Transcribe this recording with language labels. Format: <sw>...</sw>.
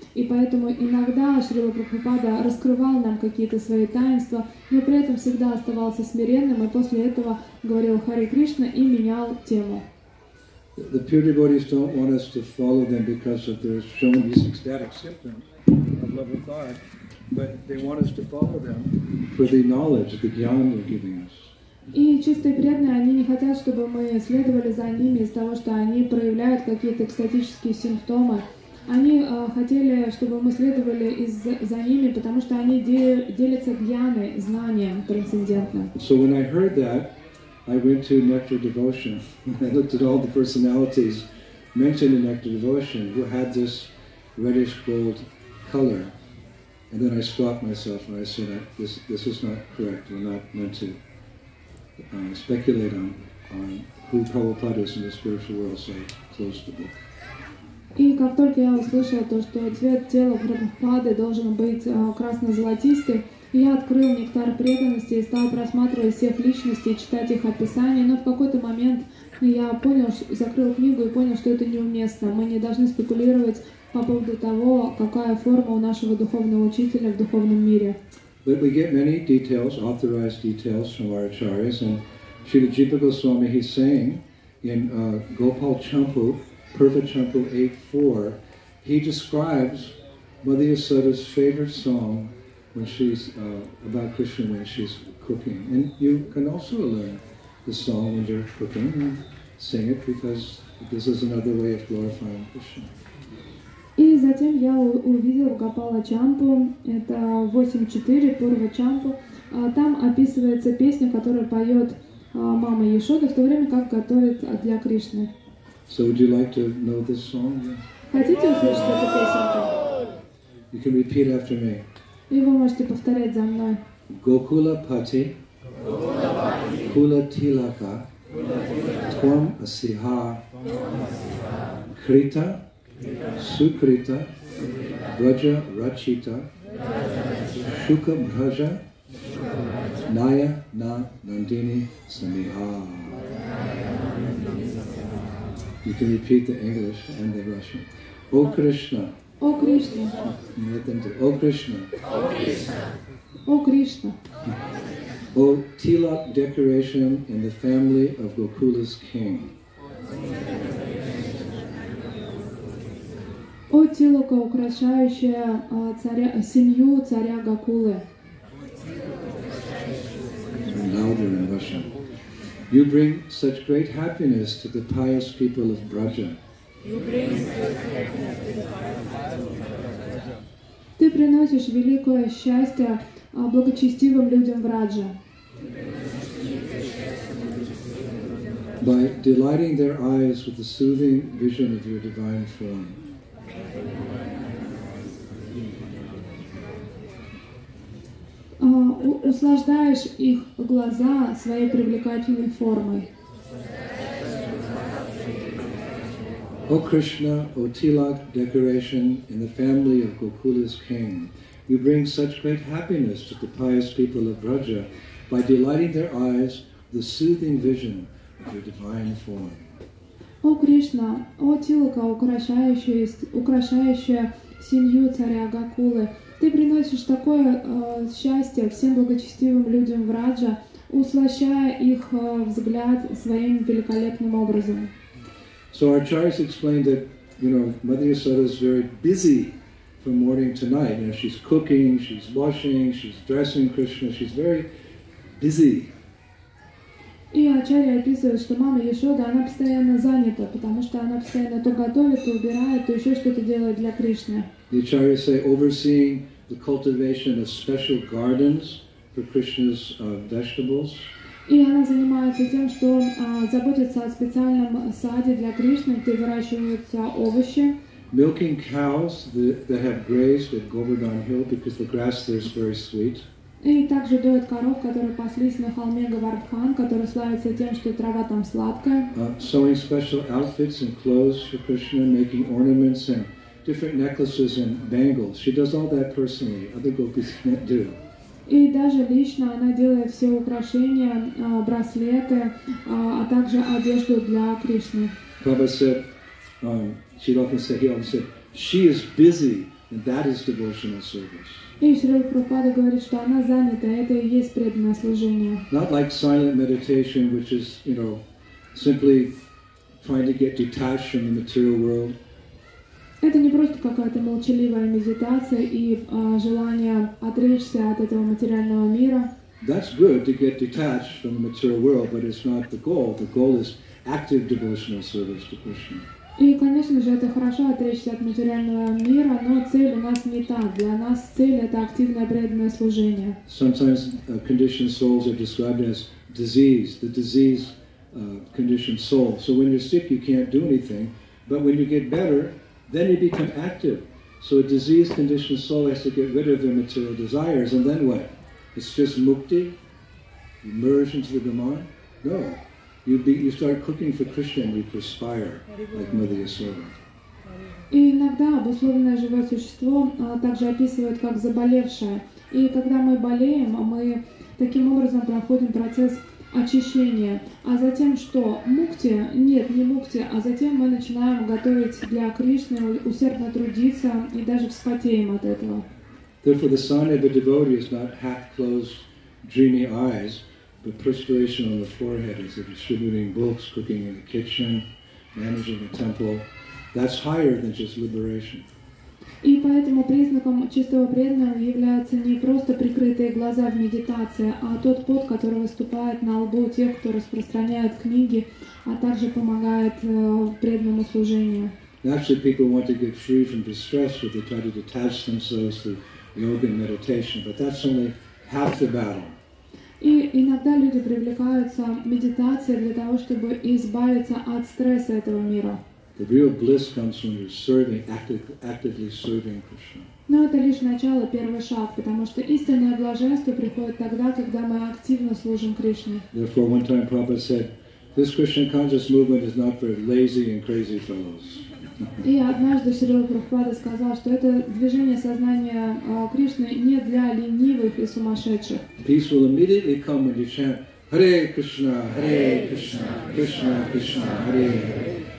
<ru>И поэтому иногда Шрила Прабхупада раскрывал нам какие-то свои таинства, но при этом всегда оставался смиренным и после этого говорил «Харе Кришна» и менял тему.</ru> <en>The pure devotees don't want us to follow them because of their showing these ecstatic symptoms of love of God, but they want us to follow them for the knowledge, the jnana they're giving us.</en> <ru>И чистые преданные, они не хотят, чтобы мы следовали за ними из-за того, что они проявляют какие-то экстатические симптомы. Они хотели, чтобы мы следовали за ними, потому что они делятся джнаной, знанием трансцендентным.</ru> <en>So when I heard that, I went to Nectar Devotion. I looked at all the personalities mentioned in Nectar Devotion who had this reddish gold color. And then I stopped myself and I said, this is not correct. We're not meant to speculate on who Prabhupada is in the spiritual world. So I closed the book.</en> <ru>И как только я услышала то, что цвет тела Прабхупады должен быть красно-золотистый, я открыл нектар преданности и стал просматривать всех личностей, читать их описания, но в какой-то момент я понял, закрыл книгу и понял, что это неуместно. Мы не должны спекулировать по поводу того, какая форма у нашего духовного учителя в духовном мире.</ru> <en>But we get many details, authorized details from our acharyas, and Srila Jiva Goswami, he's saying in Gopal Champu, Purva Champu 8.4, he describes Mother Yasoda's favorite song when she's about Krishna when she's cooking. And you can also learn the song when you're cooking and sing it because this is another way of glorifying Krishna.</en> <ru>И затем я увидел Гопала Чампу, это 8.4, Пурва Чампу. Там описывается песня, которую поет мама Яшода в то время, как готовит для Кришны.</ru> <en>So would you like to know this song?</en> <ru>Хотите услышать эту песенку?</ru> <en>You can repeat after me.</en> <ru>И вы можете повторять за мной.</ru> <sa>Гокула пати, кула тилака, твам асиха, крита, сукрита, бража рачита, шука бража, ная на нандини самиха.</sa> <en>You can repeat the English and the Russian. O Krishna. O Krishna. Let them do. O Krishna. O Krishna. O Krishna. O Tilak decoration in the family of Gokula's king.</en> <uk>О тілоко украшаюче царя сім'ю царя Гакули.</uk> <en>Louder in Russian. You bring such great happiness to the pious people of Braja.</en> <uk>Ти приносиш велике щастя благочестивим людям Браджа.</uk> <en>By delighting their eyes with the soothing vision of your divine form.</en> <ru>Услаждаешь их глаза своей привлекательной формой. О Кришна, о Тилак,</ru> <en>decoration in the family of Gokula's king. You bring such great happiness to the pious people of Braja by delighting their eyes with the soothing vision of your divine form.</en> <uk>О Кришна, о тілоко, украшающее сім'ю царя Гакули, ти приносиш таке щастя всім благочестивим людям Враджа, услащая їх взгляд своїм великолепним образом.</uk> <en>So our Acharyas explained that, you know, Mother Yasoda is very busy from morning to night. You know, she's cooking, she's washing, she's dressing Krishna, she's very busy.</en> <uk>І Ачарія описує, що мама Ясода, вона постійно зайнята, тому що вона постійно то готує, то вбирає, то ще щось робить для Кришни.</uk> <en>The Acharya say overseeing the cultivation of special gardens for Krishna's vegetables.</en> <uk>І вона займається тим, що заботиться о спеціальному саді для Кришни, де вирощуються овочі.</uk> <en>Milking cows that have grazed at Govardhan Hill because the grass there is very sweet.</en> <uk>І також доїть коров, які паслись на холмі Говардхан, які славляться тим, що трава там сладка.</uk> <en>Sewing special outfits and clothes for Krishna, making ornaments and different necklaces and bangles. She does all that personally. Other gopis can't do.</en> <ru>І даже лично вона делает все украшения, браслеты, а также одежду для Кришны.</ru> <en>Prabhupada said, she is busy. And that is devotional service.</en> <uk>І Шрила Прабхупада говорить, що вона зайнята, це і є преданне служіння.</uk> <en>Not like silent meditation, which is, you know, simply trying to get detached from the material world.</en> <uk>Це не просто якась мовчалива медитація і бажання відречься від цього матеріального світу.</uk> <en>That's good to get detached from the material world, but it's not the goal. The goal is active devotional service to Krishna.</en> <uk>І, звісно ж, це добре відречися від матеріального світу, але ціль у нас не та. Для нас ціль – це активне преданне служіння.</uk> <en>Sometimes conditioned souls are described as disease, the disease conditioned soul. So when you're sick, you can't do anything. But when you get better, then you become active. So a disease conditioned soul has to get rid of their material desires. And then what? It's just mukti? You merge into the Brahman? No. You start cooking for Krishna and you perspire, like Mother Yasoda.</en> <ru>И иногда обусловленное живое существо также описывают как заболевшее. И когда мы болеем, мы таким образом проходим процесс очищения. А затем что? Мукти? Нет, не мукти. А затем мы начинаем готовить для Кришны, усердно трудиться и даже вспотеем от этого.</ru> <en>Therefore, the sign of a devotee is not half-closed, dreamy eyes. The perspiration on the forehead is distributing books, cooking in the kitchen, managing a temple. That's higher than just liberation.</en> <ru>И поэтому признаком чистого преданного являются не просто прикрытые глаза в медитации, а тот пот, который выступает на лбу тех, кто распространяет книги, а также помогает преданному служению.</ru> <en>Actually, people want to get free from distress, so they try to detach themselves through yoga and meditation, but that's only half the battle.</en> <ru>И иногда люди привлекаются медитацией для того, чтобы избавиться от стресса этого мира.</ru> <en>The real bliss comes when you're serving, actively serving Krishna.</en> <ru>Но это лишь начало, первый шаг, потому что истинное блаженство приходит тогда, когда мы активно служим Кришне.</ru> <en>Therefore, one time Prabhupada said, this Krishna conscious movement is not for lazy and crazy fellows.</en> <ru>И однажды Шрила Прабхупада сказал, что это движение сознания Кришны не для ленивых и сумасшедших.</ru> <en>Peace will immediately come when you chant Hare Krishna, Hare Krishna, Krishna Krishna, Hare</en>